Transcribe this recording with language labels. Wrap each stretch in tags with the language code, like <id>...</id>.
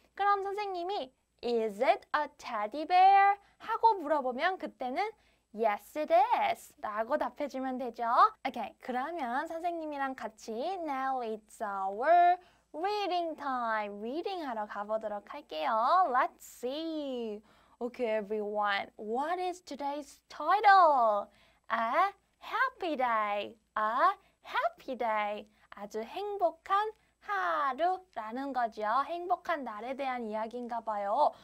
<ko>그럼 선생님이</ko> <en>Is it a teddy bear?</en> <ko>하고 물어보면 그때는</ko> <en>Yes, it is.</en> <ko>라고 답해주면 되죠.</ko> <en>Okay,</en> <ko>그러면 선생님이랑 같이</ko> <en>Now it's our reading time.</en> <ko>Reading 하러 가보도록 할게요.</ko> <en>Let's see. Okay, everyone. What is today's title? A happy day. A happy day.</en> <ko>아주 행복한 하루라는 거죠. 행복한 날에 대한 이야기인가 봐요.</ko>